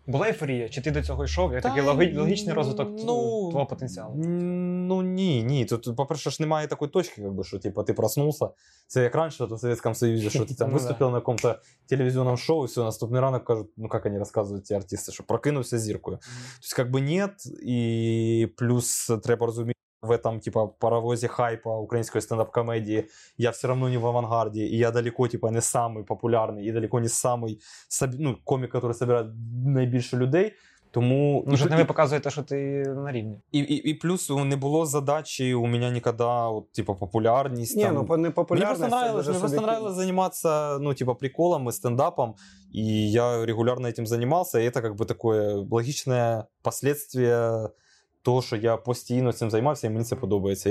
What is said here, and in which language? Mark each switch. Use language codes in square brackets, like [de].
[uk] Була ейфорія? Чи ти до цього йшов? Як такий логічний розвиток ну, твого потенціалу? Ну, ні, ні. Тут, по-перше, ж немає такої точки, як би, що типу, ти проснувся. Це як раніше в Совєтському Союзі, що ти там виступив на якомусь телевізійному шоу, і все, наступний ранок кажуть, ну, як вони розказують, ці артисти, що прокинувся зіркою. Тобто, як би, ні, і плюс треба розуміти, [ru] в этом типа паровозе хайпа украинской стендап-комедии я все равно не в авангарде, и я далеко типа не самый популярный и далеко не самый ну, комик, который собирает [uk] найбільше людей. Тому ну, вже тебе показує те, що ти на рівні. І плюс не було задачі у мене ніколи, от, типу, популярність. Ні, там. Ну, не популярність. Мені просто нравилось займатися, ну, типу, приколами, стендапом. І я регулярно цим займався. І це, якби, таке логічне последствие того, що я постійно цим займався, і мені це подобається.